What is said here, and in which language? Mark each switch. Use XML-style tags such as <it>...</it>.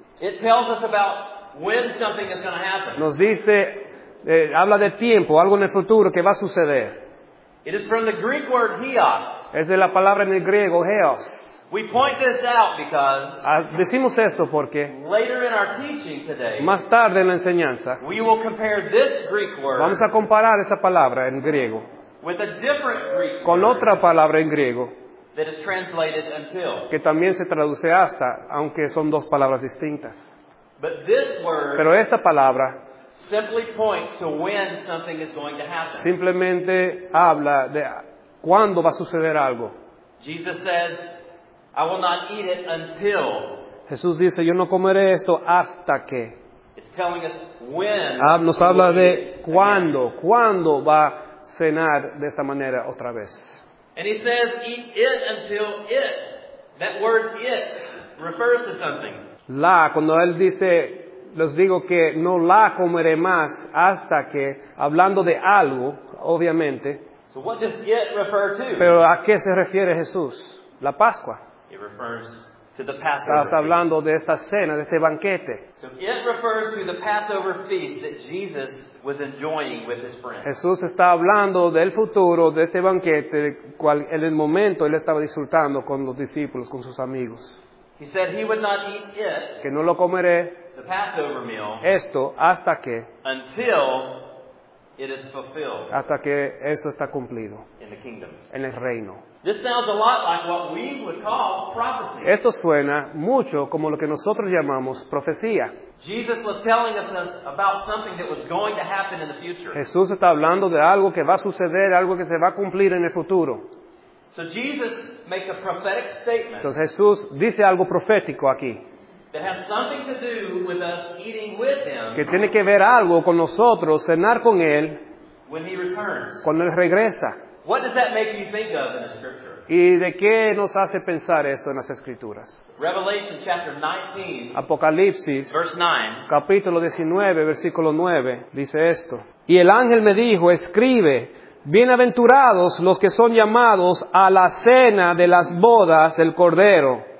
<en>It tells us about when something is going to happen.</en> <es>Nos dice, habla de tiempo, algo en el futuro que va a suceder.</es> <en>It is from the Greek word heos.</en> <es>Es de la palabra en el griego heos.</es> <en>We point this out because,</en> <es>decimos esto porque,</es> <en>later in our teaching today,</en> <es>más tarde en la enseñanza,</es> <en>we will compare this Greek word,</en> <es>vamos a comparar esa palabra en griego,</es> <en>with a different Greek word,</en> <es>con otra palabra en griego,</es> <en>that is translated until,</en> <es>que también se traduce hasta, aunque son dos palabras distintas.</es> <en>But this word,</en> <es>pero esta palabra,</es> <en>simply points to when something is going to happen.</en> <es>Simplemente habla de cuándo va a suceder algo.</es> <en>Jesus says, I will not eat it until.</en> <es>Jesús dice, yo no comeré esto hasta que.</es> <en>It's telling us when.</en> <es>Nos habla de cuándo, cuándo va a cenar de esta manera otra vez.</es> <en>And he says, eat it until it. That word it refers to something.</en> <es>La, cuando él dice, les digo que no la comeré más hasta que, hablando de algo, obviamente.</es> <en>So what does it refer to?</en> <es>Pero ¿a qué se refiere Jesús? La Pascua.</es> <en>It refers to the Passover.</en> <es>Está hablando de esta cena, de este banquete.</es> <en>So it refers to the Passover feast that Jesus was enjoying with his friends.</en> <es>Jesús está hablando del futuro, de este banquete, cual en el momento él estaba disfrutando con los discípulos, con sus amigos.</es> <en>He said he would not eat it,</en> <es>que no lo comeré,</es> <en>the Passover meal,</en> <es>esto, hasta que,</es> <en>until it is fulfilled,</en> <es>hasta que esto está cumplido,</es> <en>in the kingdom,</en> <es>en el reino.</es> <en>This sounds a lot like what we would call prophecy.</en> <es>Esto suena mucho como lo que nosotros llamamos profecía.</es> <en>Jesus was telling us about something that was going to happen in the future.</en> <es>Jesús está hablando de algo que va a suceder, algo que se va a cumplir en el futuro.</es> <en>So Jesus makes a prophetic statement.</en> <es>Entonces Jesús dice algo profético aquí.</es> <en>That has something to do with us eating with him.</en> <es>Que tiene que ver algo con nosotros, cenar con él.</es> <en>When he returns.</en> <es>Cuando él regresa.</es> <en>What does that make you think of in the scripture?</en> <es>¿Y de qué nos hace pensar esto en las escrituras?</es> <en>Revelation chapter 19.</en> <es>Apocalipsis.</es> <en>Verse 9.</en> <es>Capítulo 19, versículo 9, dice esto. Y el ángel me dijo, escribe, bienaventurados los que son llamados a la cena de las bodas del Cordero.</es>